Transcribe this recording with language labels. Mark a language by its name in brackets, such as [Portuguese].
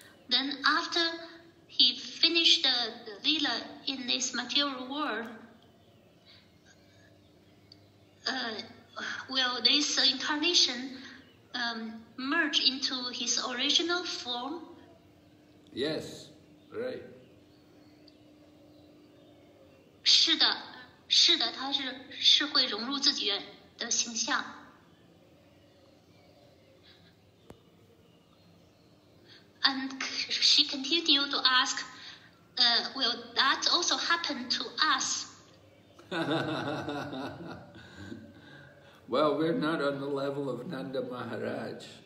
[English] Then after he finished the Lila in this material world, Will this incarnation merge into his original form? Yes, right. [Chinese] 是的，是的，他是会融入自己的形象。 [English] And she continued to ask, will that also happen to us? Well, we're not on the level of Nanda Maharaj.